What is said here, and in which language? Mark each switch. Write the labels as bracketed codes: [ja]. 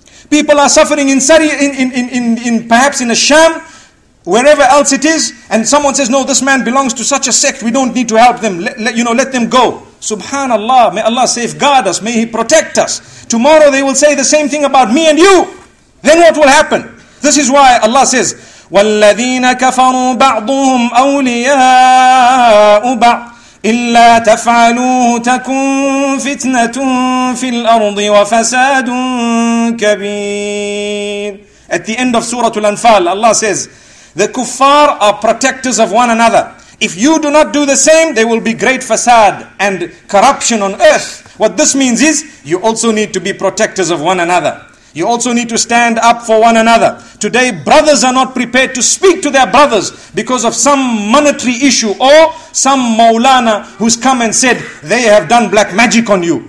[en] People are suffering in perhaps in a sham, wherever else it is, and someone says, no, this man belongs to such a sect, we don't need to help them, let them go. Subhanallah, may Allah safeguard us, may He protect us. Tomorrow they will say the same thing about me and you. Then what will happen? This is why Allah says, [ar] وَالَّذِينَ كَفَرُوا بَعْضُهُمْ أَوْلِيَاءُ بَعْضٍ إِلَّا تَفْعَلُوهُ تَكُنْ فِتْنَةٌ فِي الْأَرْضِ وَفَسَادٌ كَبِيرٌ. [en] At the end of Surah Al-Anfal, Allah says, the kuffar are protectors of one another. If you do not do the same, there will be great fasad and corruption on earth. What this means is, you also need to be protectors of one another. You also need to stand up for one another. Today, brothers are not prepared to speak to their brothers because of some monetary issue or some maulana who's come and said, they have done black magic on you.